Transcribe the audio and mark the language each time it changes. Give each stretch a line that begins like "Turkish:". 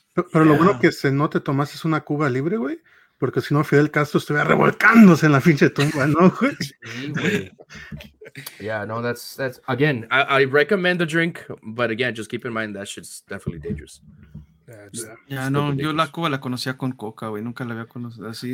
Spanish: Pero lo bueno que se no te tomas es una Cuba Libre, güey. Porque si no, Fidel Castro estuviera revolcándose en la pinche tumba, ¿no?
English: Yeah, no, that's again, I recommend the drink, but again, just keep in mind that shit's definitely dangerous.
Spanish: Yeah, no, yo la Cuba la conocía con coca, güey, nunca la había conocido así.